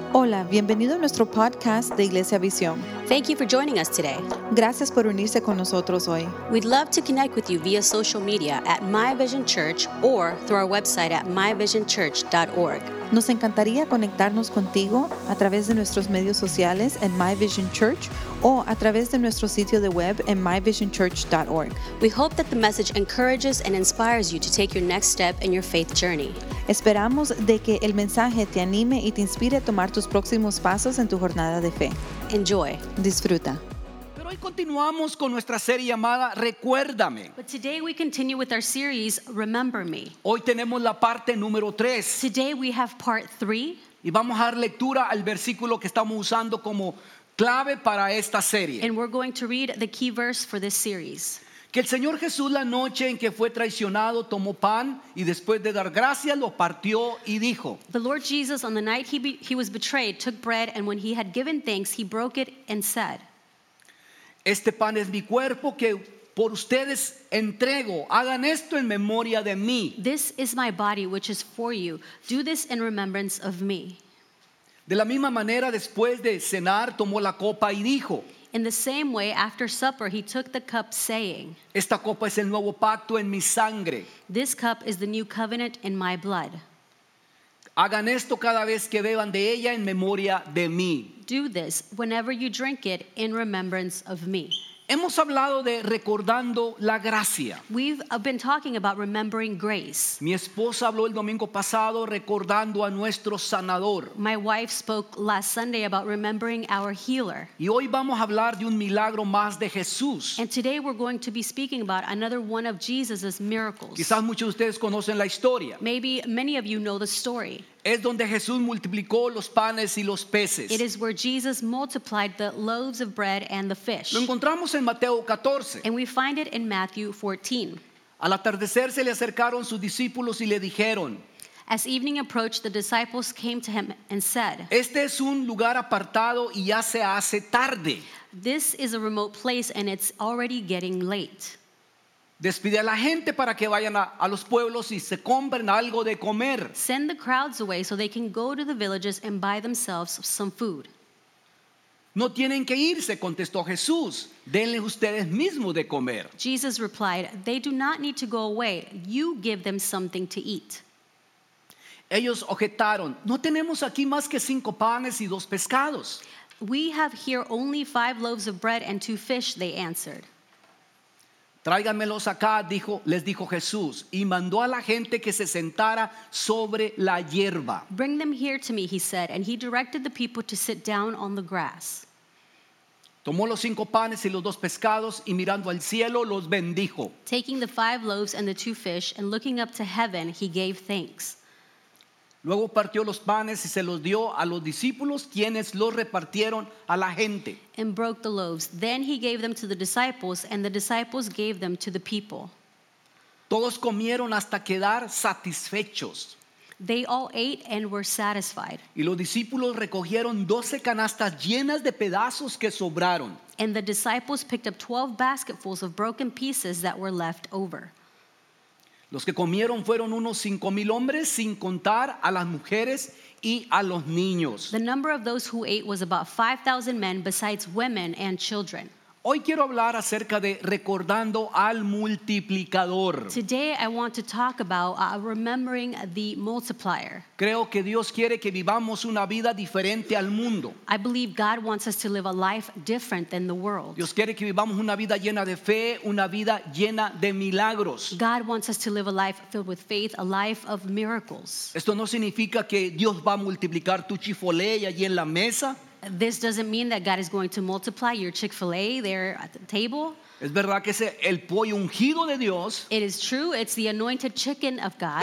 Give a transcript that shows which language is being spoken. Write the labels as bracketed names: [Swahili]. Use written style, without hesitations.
[Spanish] Hola, bienvenido a nuestro podcast de Iglesia Visión. [English] Thank you for joining us today. [Spanish] Gracias por unirse con nosotros hoy. [English] We'd love to connect with you via social media at My Vision Church or through our website at myvisionchurch.org. [Spanish] Nos encantaría conectarnos contigo a través de nuestros medios sociales en My Vision Church o a través de nuestro sitio de web en myvisionchurch.org. [English] We hope that the message encourages and inspires you to take your next step in your faith journey. [Spanish] Esperamos de que el mensaje te anime y te inspire a tomar tus próximos pasos en tu jornada de fe. [English] Enjoy. [Spanish] Disfruta. Pero hoy continuamos con nuestra serie llamada Recuérdame. [English] But today we continue with our series Remember Me. [Spanish] Hoy tenemos la parte número 3. [English] Today we have part 3. [Spanish] Y vamos a dar lectura al versículo que estamos usando como clave para esta serie. [English] And we're going to read the key verse for this series. [Spanish] Que el Señor Jesús la noche en que fue traicionado tomó pan y después de dar gracias lo partió y dijo. [English] The Lord Jesus on the night he was betrayed took bread and when he had given thanks he broke it and said. [Spanish] Este pan es mi cuerpo que por ustedes entrego. Hagan esto en memoria de mí. [English] This is my body which is for you. Do this in remembrance of me. [Spanish] De la misma manera después de cenar tomó la copa y dijo. [English] In the same way, after supper, he took the cup, saying, [Spanish] esta copa es el nuevo pacto en mi sangre. [English] This cup is the new covenant in my blood. [Spanish] Hagan esto cada vez que beban de ella en memoria de mí. [English] Do this whenever you drink it in remembrance of me. [Spanish] Hemos hablado de recordando la gracia. [English] We've been talking about remembering grace. [Spanish] Mi esposa habló el domingo pasado recordando a nuestro sanador. [English] My wife spoke last Sunday about remembering our healer. [Spanish] Y hoy vamos a hablar de un milagro más de Jesús. [English] And today we're going to be speaking about another one of Jesus's miracles. [Spanish] Quizás muchos de ustedes conocen la historia. [English] Maybe many of you know the story. [Spanish] Es donde Jesús multiplicó los panes y los peces. [English] It is where Jesus multiplied the loaves of bread and the fish. [Spanish] Lo encontramos en Mateo 14. [English] And we find it in Matthew 14. [Spanish] Al atardecer se le acercaron sus discípulos y le dijeron. [English] As evening approached, the disciples came to him and said. [Spanish] Este es un lugar apartado y ya se hace tarde. [English] This is a remote place and it's already getting late. [Spanish] Despide a la gente para que vayan a los pueblos y se compren algo de comer. [English] Send the crowds away so they can go to the villages and buy themselves some food. [Spanish] No tienen que irse, contestó Jesús. Denle ustedes mismos de comer. [English] Jesus replied, they do not need to go away. You give them something to eat. [Spanish] Ellos objetaron, no tenemos aquí más que 5 panes y 2 pescados. [English] We have here only 5 loaves of bread and 2 fish, they answered. [Spanish] Tráiganmelos acá, dijo, les dijo Jesús, y mandó a la gente que se sentara sobre la hierba. [English] Bring them here to me, he said, and he directed the people to sit down on the grass. [Spanish] Tomó los 5 panes y los 2 pescados, y mirando al cielo, los bendijo. [English] Taking the 5 loaves and the 2 fish, and looking up to heaven, he gave thanks. [Spanish] Luego partió los panes y se los dio a los discípulos, quienes los repartieron a la gente. [English] And broke the loaves. Then he gave them to the disciples, and the disciples gave them to the people. [Spanish] Todos comieron hasta quedar satisfechos. [English] They all ate and were satisfied. [Spanish] Y los discípulos recogieron 12 canastas llenas de pedazos que sobraron. [English] And the disciples picked up 12 basketfuls of broken pieces that were left over. [Spanish] Los que comieron fueron unos 5,000 hombres, sin contar a las mujeres y a los niños. [English] The number of those who ate was about 5,000 men, besides women and children. [Spanish] Hoy quiero hablar acerca de recordando al multiplicador. [English] Today I want to talk about remembering the multiplier. [Spanish] Creo que Dios quiere que vivamos una vida diferente al mundo. [English] I believe God wants us to live a life different than the world. [Spanish] Dios quiere que vivamos una vida llena de fe, una vida llena de milagros. [English] God wants us to live a life filled with faith, a life of miracles. [Spanish] Esto no significa que Dios va a multiplicar tu chifolé allí en la mesa. [English] This doesn't mean that God is going to multiply your Chick-fil-A there at the table. [Spanish] Es verdad que es el pollo ungido de Dios. [English] It is true, it's the anointed chicken of God.